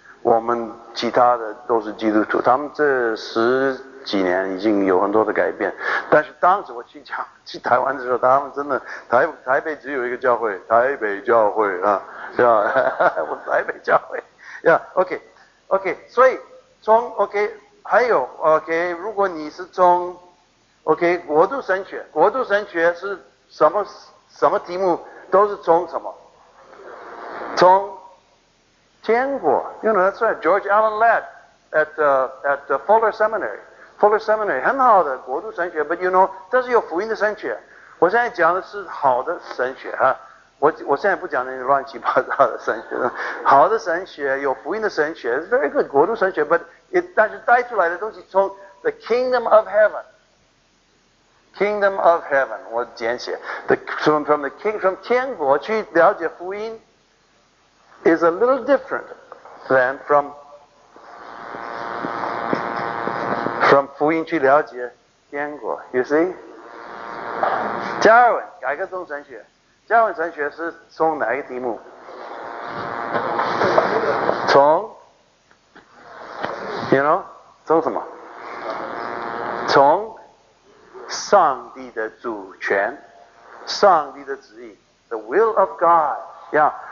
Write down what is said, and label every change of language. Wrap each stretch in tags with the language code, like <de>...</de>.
<zh>我们其他的都是基督徒，他们这十几年已经有很多的改变，但是当时我去台湾的时候，他们真的台北只有一个教会，台北教会啊，是吧？我台北教会，呀 ，OK， 所以从 OK， 还有 OK， 如果你是从 OK 国度神学，国度神学是什么题目，都是从什么？</zh> <en>从天国，you know that's right. George Allen Ladd at Fuller Seminary.</en> <zh>Fuller Seminary 很好的国度神学 ， but you know 但是有福音的神学。我现在讲的是好的神学啊，我现在不讲那些乱七八糟的神学。好的神学，有福音的神学 ， is very good 国度神学 ，but 但是带出来的东西从 the kingdom of heaven，kingdom of heaven 我简写 from 天国去了解福音。</zh> <en>Is a little different than from 福音去了解天国。</en> <zh>You see, 加尔文改革宗神学，加尔文神学是从哪一个题目？从 ， you know，从什么？从上帝的主权，上帝的旨意 ， the will of God， yeah。</zh>